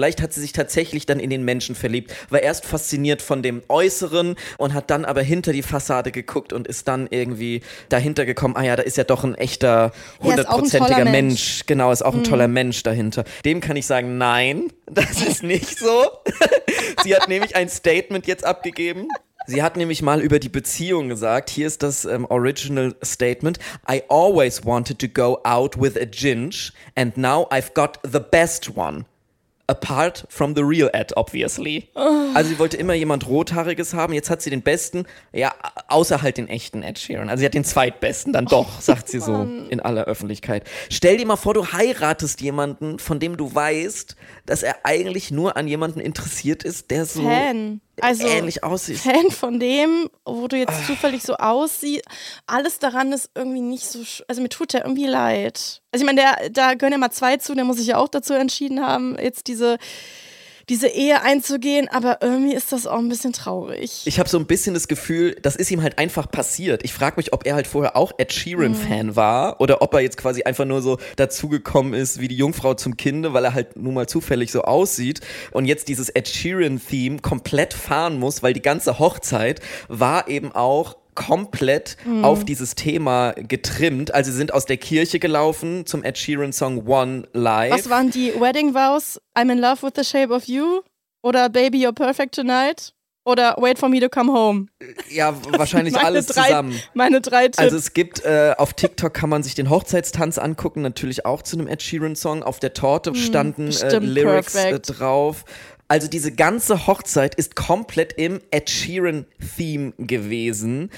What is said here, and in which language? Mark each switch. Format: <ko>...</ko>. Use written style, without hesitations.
<de>Vielleicht hat sie sich tatsächlich dann in den Menschen verliebt, war erst fasziniert von dem Äußeren und hat dann aber hinter die Fassade geguckt und ist dann irgendwie dahinter gekommen, ah ja, da ist ja doch ein echter, hundertprozentiger Mensch. Genau, ist auch ein toller Mensch dahinter. Dem kann ich sagen, nein, das ist nicht so. Sie hat nämlich ein Statement jetzt abgegeben. Sie hat nämlich mal über die Beziehung gesagt, hier ist das original Statement.</de> <en>I always wanted to go out with a ginge and now I've got the best one. Apart from the real Ed, obviously. Oh.</en> <de>Also sie wollte immer jemand Rothaariges haben, jetzt hat sie den besten, ja, außer halt den echten Ed Sheeran. Also sie hat den zweitbesten, dann doch, sagt sie so in aller Öffentlichkeit. Stell dir mal vor, du heiratest jemanden, von dem du weißt, dass er eigentlich nur an jemanden interessiert ist, der so... Fan. Also, ähnlich aussieht. Fan von dem, wo du jetzt zufällig so aussiehst, alles daran ist irgendwie nicht so, also mir tut der irgendwie leid. Also ich meine, da gehören ja mal zwei zu, der muss sich ja auch dazu entschieden haben, jetzt diese Ehe einzugehen, aber irgendwie ist das auch ein bisschen traurig. Ich habe so ein bisschen das Gefühl, das ist ihm halt einfach passiert. Ich frage mich, ob er halt vorher auch Ed Sheeran-Fan war oder ob er jetzt quasi einfach nur so dazugekommen ist wie die Jungfrau zum Kinde, weil er halt nun mal zufällig so aussieht und jetzt dieses Ed Sheeran-Theme komplett fahren muss, weil die ganze Hochzeit war eben auch komplett auf dieses Thema getrimmt. Also sie sind aus der Kirche gelaufen zum Ed Sheeran Song One Life. Was waren die Wedding Vows?</de> <en>I'm in love with the shape of you?</en> <de>Oder</de> <en>Baby, you're perfect tonight?</en> <de>Oder</de> <en>Wait for me to come home?</en> <de>Ja, das wahrscheinlich alles zusammen. Meine drei Tipps. Also es gibt, auf TikTok kann man sich den Hochzeitstanz angucken, natürlich auch zu einem Ed Sheeran Song. Auf der Torte standen Lyrics drauf. Also diese ganze Hochzeit ist komplett im Ed Sheeran-Theme gewesen.</de>